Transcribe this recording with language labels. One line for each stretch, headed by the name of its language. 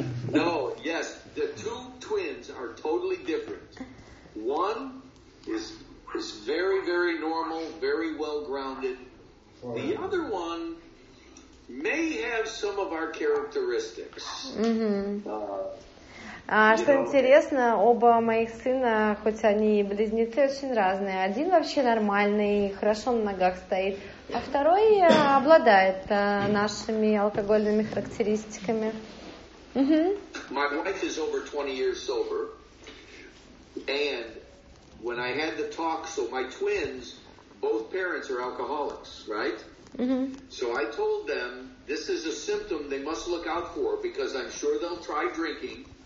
English: No, yes, the two twins are totally different. One is very, very normal, very well grounded. The other one may have some of our characteristics.
Russian: Что интересно, оба моих сына, хоть они и близнецы, очень разные. Один вообще нормальный, хорошо на ногах стоит, а второй обладает нашими алкогольными характеристиками.
English: My wife is over 20 years sober, and when I had the talk, so my twins, both parents are alcoholics, right? So I told them, this is a symptom they must look out for, because I'm sure they'll try drinking.